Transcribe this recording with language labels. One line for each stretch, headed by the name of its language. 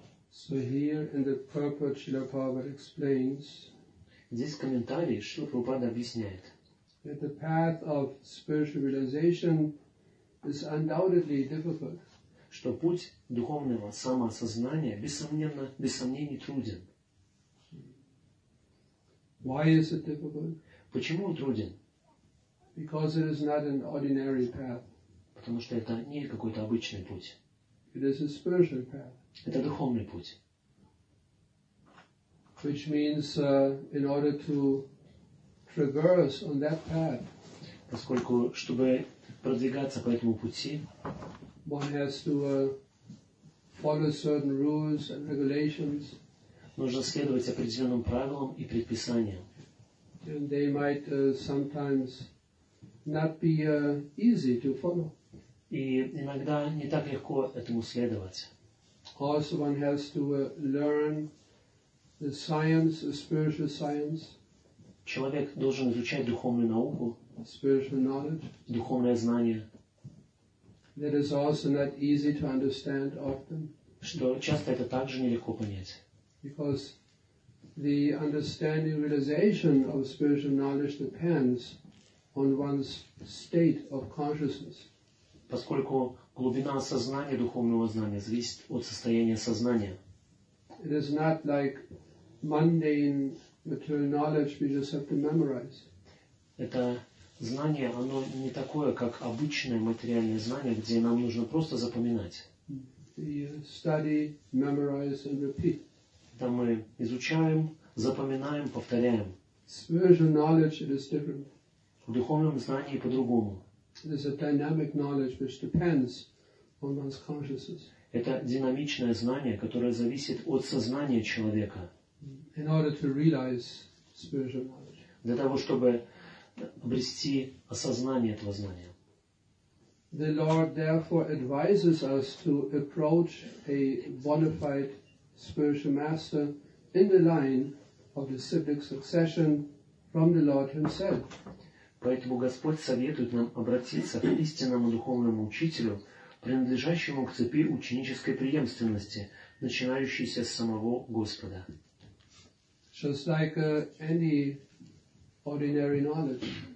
English: So here in the purport Srila Prabhupada explains.
Russian: Здесь комментарий Шрила Прабхупада объясняет.
English: That the path of spiritual realization is undoubtedly difficult.
Russian: Что путь духовного самоосознания без сомнений труден.
English: Why is it difficult?
Russian: Почему он труден?
English: Because it is not an ordinary path.
Russian: Потому что это не какой-то обычный путь.
English: It is a spiritual path.
Russian: Это духовный путь.
English: Which means in order to traverse on that path,
Russian: поскольку чтобы продвигаться по этому пути,
English: one has to follow certain rules and regulations.
Russian: Нужно следовать определенным правилам и предписаниям.
English: And they might sometimes not be easy to follow.
Russian: И иногда не так легко этому следовать.
English: Also, one has to learn. The science, the spiritual science.
Russian: Человек должен изучать духовную науку.
English: Spiritual knowledge.
Russian: Духовное знание.
English: That is also not easy to understand often.
Russian: Что часто это также нелегко понять.
English: Because the understanding, realization of spiritual knowledge depends on one's state of consciousness.
Russian: Поскольку глубина сознания, духовного знания, зависит от состояния сознания.
English: It is not like mundane material knowledge we just have to memorize.
Russian: Это знание, оно не такое, как обычное материальное знание, где нам нужно просто запоминать.
English: We study, memorize and repeat.
Russian: Там мы изучаем, запоминаем, повторяем.
English: Spiritual knowledge it is different.
Russian: В духовном знании по-другому.
English: It is a dynamic knowledge which depends on one's consciousness.
Russian: Это динамичное знание, которое зависит от сознания человека.
English: In order to realize spiritual knowledge.
Russian: Для того, чтобы обрести осознание этого знания.
English: The Lord therefore advises us to approach a bona fide spiritual master in the line of the siddhic succession from the Lord himself.
Russian: Поэтому Господь советует нам обратиться к истинному духовному учителю, принадлежащему к цепи ученической преемственности, начинающейся с самого Господа.
English: just like any ordinary knowledge.